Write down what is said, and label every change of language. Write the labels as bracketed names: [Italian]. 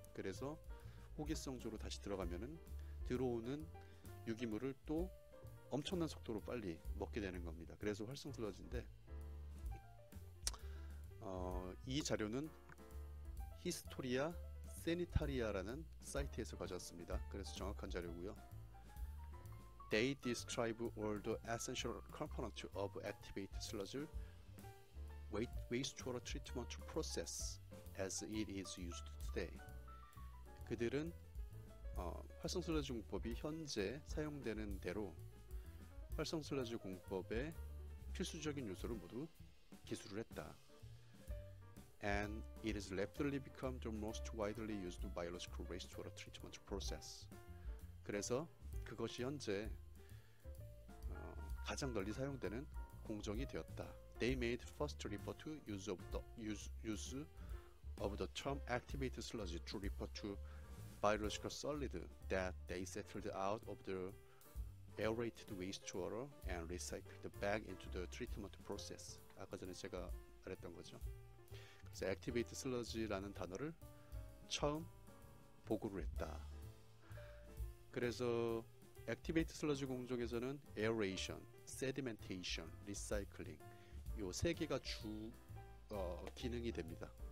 [Korean] 그래서 호기성조로 다시 들어가면은 들어오는 유기물을 또 엄청난 속도로 빨리 먹게 되는 겁니다. 그래서 활성산화제인데 이 자료는 히스토리아 세니타리아라는 사이트에서 가져왔습니다. 그래서 정확한 자료고요. [English] They describe all the essential components of activated sludge wastewater treatment process as it is used today. [Korean] 그들은 활성슬러지 공법이 현재 사용되는 대로 활성슬러지 공법의 필수적인 요소를 모두 기술을 했다. [English] And it has rapidly become the most widely used biological wastewater treatment process. [Korean] 그래서 그것이 현재 가장 널리 사용되는 공정이 되었다. [English] They made first refer to use of the term activated sludge to refer to biological solid that they settled out of the aerated wastewater and recycled back into the treatment process. [Korean] 아까 전에 제가 말했던 거죠. 그래서 activated sludge라는 단어를 처음 보고를 했다. 그래서 activated sludge 공정에서는 aeration, sedimentation, recycling 이세 개가 주 기능이 됩니다.